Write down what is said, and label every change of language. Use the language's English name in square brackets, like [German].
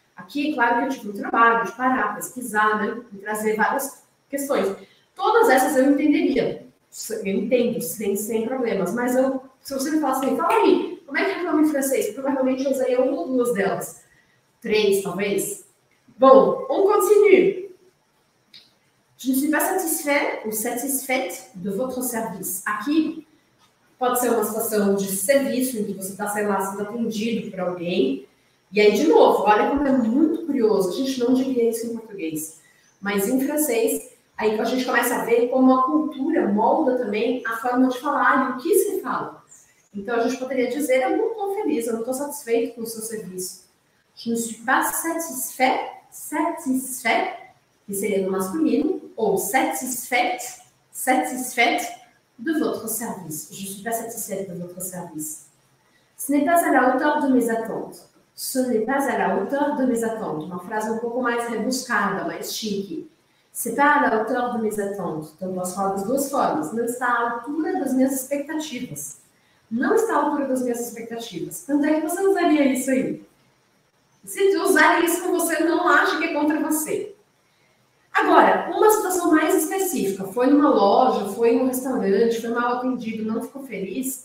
[Portuguese] Aqui, claro que eu tive um trabalho de parar, pesquisar, né, e trazer várias questões. Todas essas eu entenderia. Eu entendo, sem problemas. Mas eu, se você me falar assim, fala aí, como é que reclama em francês? Provavelmente eu usaria uma ou duas delas. Três, talvez. Bom, [French] on continue. Je ne suis pas satisfait ou satisfaite de votre service. [Portuguese] Aqui pode ser uma situação de serviço, em que você está, sei lá, sendo atendido por alguém. E aí, de novo, olha como é muito curioso. A gente não diria isso em português. Mas em francês, Aí a gente começa a ver como a cultura molda também a forma de falar e o que se fala. Então a gente poderia dizer: eu não estou feliz, eu não estou satisfeito com o seu serviço. [French] Je ne suis pas satisfait, satisfait, [Portuguese] que seria no masculino, ou [French] satisfaite, satisfaite de votre service. Je ne suis pas satisfaite de votre service. Ce n'est pas à la hauteur de mes attentes. Ce n'est pas à la hauteur de mes attentes. [Portuguese] Uma frase um pouco mais rebuscada, mais chique. [French] C'est pas à la hauteur de mes attentes. [Portuguese] Então, posso falar das duas formas. Não está à altura das minhas expectativas. Não está à altura das minhas expectativas. Quando é que você usaria isso aí? Se você usar isso com você, não acha que é contra você. Agora, uma situação mais específica. Foi numa loja, foi em um restaurante, foi mal atendido, não ficou feliz.